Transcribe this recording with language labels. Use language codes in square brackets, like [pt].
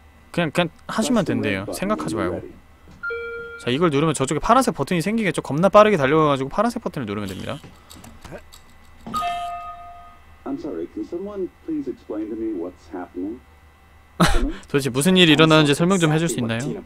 [ko] 그냥 하시면 된대요. 생각하지 말고. 자, 이걸 누르면 저쪽에 파란색 버튼이 생기겠죠. 겁나 빠르게 달려가가지고 파란색 버튼을 누르면 됩니다. [en] I'm sorry. Can someone please explain to me what's happening? [ko] 도대체 무슨 일이 일어나는지 설명 좀 해줄 수 있나요?